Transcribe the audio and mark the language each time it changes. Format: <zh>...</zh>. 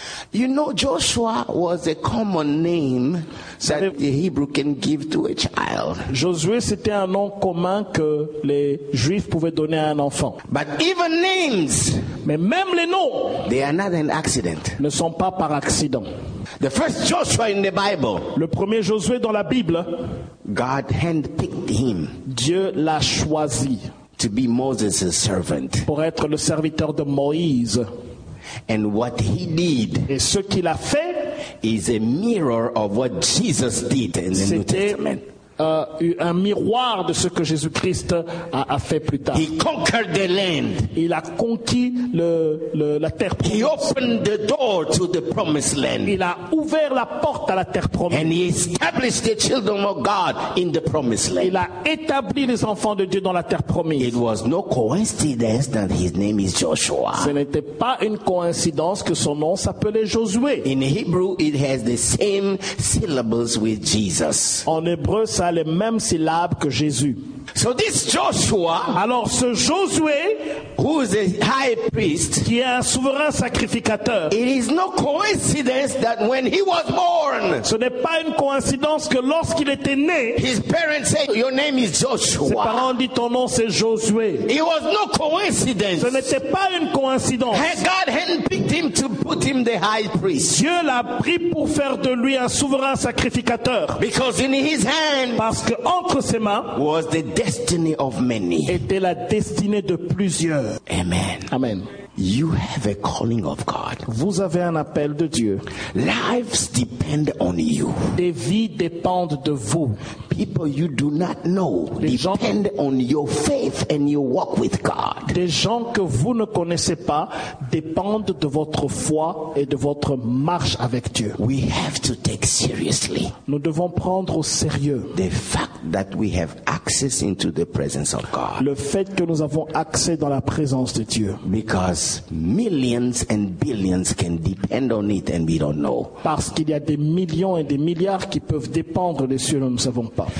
<en>You know, Joshua was a common name that the Hebrew can give to a child.</en> <fr>Josué, c'était un nom commun que les Juifs pouvaient donner à un enfant.</fr> <en>But even names,</en> <fr>mais même les noms,</fr> <en>they are not an accident.</en> <fr>Ne sont pas par accident.</fr> <en>The first Joshua in the Bible,</en> <fr>le premier Josué dans la Bible,</fr> <en>God handpicked him.</en> <fr>Dieu l'a choisi</fr> <en>to be Moses' servant.</en> <fr>Pour être le serviteur de Moïse.</fr> <en>And what he did,</en> <fr>et ce qu'il a fait,</fr> <en>is a mirror of what Jesus did in the New Testament.</en> <fr>Un miroir de ce que Jésus-Christ a fait plus tard.</fr> <en>He conquered the land.</en> <fr>Il a conquis la terre promise.</fr> <en>He opened the door to the promised land.</en> <fr>Il a ouvert la porte à la terre promise.</fr> <en>And he established the children of God in the promised land.</en> <fr>Il a établi les enfants de Dieu dans la terre promise.</fr> <en>It was no coincidence that his name is Joshua.</en> <fr>Ce n'était pas une coïncidence que son nom s'appelait Josué.</fr> <en>In Hebrew, it has the same syllables with Jesus.</en> <fr>En hébreu, ça a les mêmes syllabes que Jésus.</fr> <en>So this Joshua,</en> <fr>alors ce Josué,</fr> <en>who is a high priest,</en> <fr>qui est un souverain sacrificateur,</fr> <en>it is no coincidence that when he was born,</en> <fr>ce n'est pas une coïncidence que lorsqu'il était né,</fr> <en>his parents say, your name is Joshua.</en> <fr>Ses parents ont dit, ton nom c'est Josué.</fr> <en>It was no coincidence.</en> <fr>Ce n'était pas une coïncidence.</fr> <en>God handpicked him to put him the high priest.</en> <fr>Dieu l'a pris pour faire de lui un souverain sacrificateur.</fr> <en>Because in his hand,</en> <fr>parce que entre ses mains,</fr> <en>was the destiny of many.</en> <fr>Était la destinée de plusieurs.</fr> <en>Amen.</en> <fr>Amen.</fr> <en>You have a calling of God.</en> <fr>Vous avez un appel de Dieu.</fr> <en>Lives depend on you.</en> <fr>Des vies dépendent de vous.</fr> <en>People you do not know depend on your faith and your walk with God.</en> <fr>Des gens que vous ne connaissez pas dépendent de votre foi et de votre marche avec Dieu.</fr> <en>We have to take seriously.</en> <fr>Nous devons prendre au sérieux</fr> <en>the fact that we have access into the presence of God.</en> <fr>Le fait que nous avons accès dans la présence de Dieu.</fr> <en>Because millions and billions can depend on it and we don't know.</en> <fr>Parce qu'il y a des millions et des milliards qui peuvent dépendre dessus, nous ne savons pas.</fr>